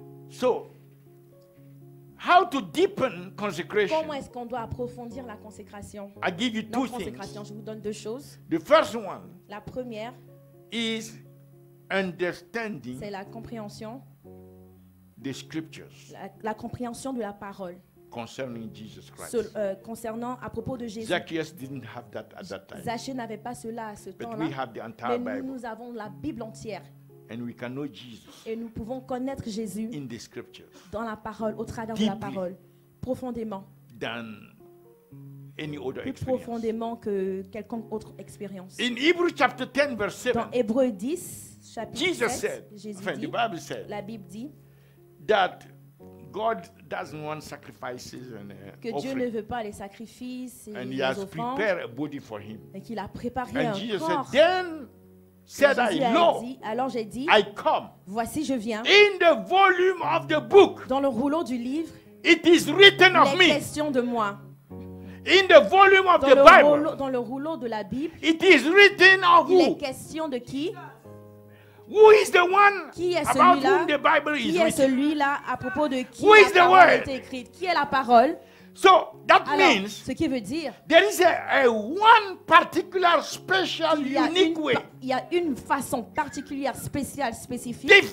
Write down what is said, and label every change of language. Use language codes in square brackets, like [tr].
[en] So, how to deepen consecration? [fr] Comment est-ce qu'on doit approfondir la consécration? [en] I give you two things. [fr] Je vous donne deux choses. [en] The first one. [fr] La première. [en] Is understanding. [fr] C'est la compréhension. [en] The scriptures. [fr] La compréhension de la parole. [en] Concerning Jesus Christ. [fr] Concernant à propos de Jésus. [en] Zacchaeus didn't have that at that time. [fr] Zacchée n'avait pas cela à ce temps-là. [en] But we have the entire Bible. [fr] Mais nous avons la Bible entière. [en] And we can know Jesus. [fr] Et nous pouvons connaître Jésus [en] in the scriptures. [fr] Dans la parole, au travers [en] deeply [fr] de la parole, profondément. [en] Than any other [fr] plus [en] experience. [fr] Profondément que quelconque autre expérience. [en] In Hebrews chapter 10 verse 7. [fr] Dans Hébreux 10 chapitre [en] Jesus [fr] 7, [en] said, [fr] Jésus enfin, dit, [en] the Bible said, [fr] la Bible dit [en] that God doesn't want sacrifices and [fr] que Dieu ne veut pas les sacrifices et [en] and [fr] les offrandes. [en] And he has prepared a body for him. [fr] Et qu'il a préparé [en] and [fr] un [en] Jesus [fr] corps. [en] Said, then said [fr] Jésus [en] I [fr] a [en] know, [fr] dit, alors j'ai dit, [en] I come. [fr] Voici je viens. [en] In the volume of the book, [fr] dans le rouleau du livre, [en] it is written of me. [fr] Question de moi. [en] In the volume of the Bible, [fr] dans le rouleau de la Bible, [en] it is written of who. [fr] Les questions de qui? [en] Who is the one [fr] qui est celui-là? [en] About whom the Bible is [fr] qui est [en] written? [fr] Celui-là à propos de qui [en] who is the word? [fr] Écrite? Qui est la parole? [en] So that [fr] alors, [en] means, [fr] ce qui veut dire, [en] there is a one particular, special, unique way. [fr] Il y a une façon particulière, spéciale, spécifique.